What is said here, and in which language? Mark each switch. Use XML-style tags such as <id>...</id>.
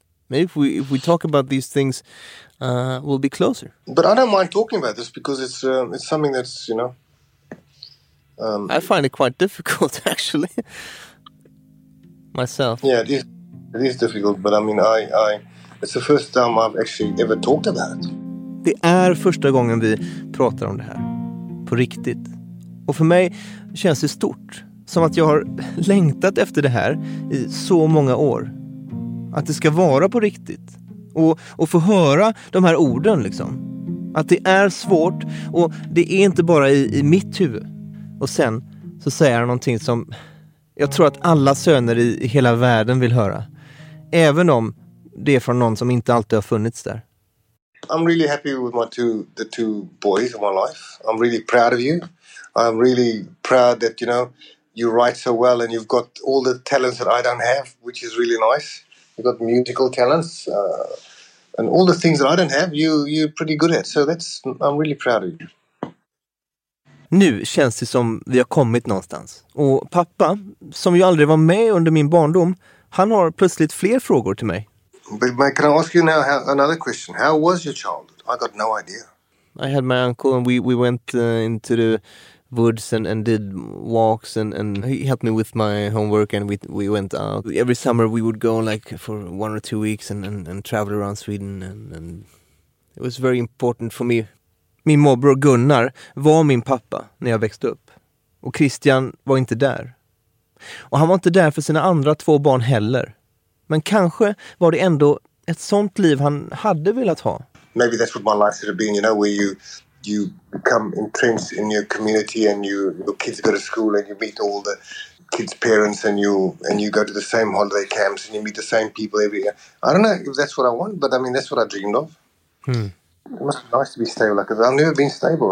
<en>Maybe if we talk about these things, we'll be closer. But I don't mind talking about this because it's something that's, you know. I find it quite difficult, actually. Myself. Yeah, it is difficult, but I mean, I it's the first time I've actually ever talked about it.</en> <sv>Det är första gången vi pratar om det här. På riktigt. Och för mig känns det stort. Som att jag har längtat efter det här i så många år. Att det ska vara på riktigt. Och få höra de här orden liksom. Att det är svårt och det är inte bara i mitt huvud. Och sen så säger han någonting som jag tror att alla söner i hela världen vill höra. Även om det är från någon som inte alltid har funnits där.</sv> <en>I'm really happy with the two boys in my life. I'm really proud of you. I'm really proud that, you know, you write so well and you've got all the talents that I don't have, which is really nice. You've got musical talents and all the things that I don't have, you're pretty good at. So that's, I'm really proud of you.</en> <sv>Nu känns det som vi har kommit någonstans. Och pappa, som ju aldrig var med under min barndom, han har plötsligt fler frågor till mig.</sv> <en>But can I ask you now another question? How was your childhood? I got no idea. I had my uncle and we went into the woods and did walks and he helped me with my homework and we went out. Every summer we would go like for 1 or 2 weeks and travel around Sweden and it was very important for me.</en> <sv>Min morbror Gunnar var min pappa när jag växte upp. Och Christian var inte där. Och han var inte där för sina andra två barn heller. Men kanske var det ändå ett sånt liv han hade velat ha.</sv> <en>Maybe that's what my life should have been, you know, where you become entrenched in your community and your kids go to school and you meet all the kids' parents and you go to the same holiday camps and you meet the same people every year. I don't know if that's what I want, but I mean that's what I dreamed of. It must be nice to be stable, because I've never been stable.</en>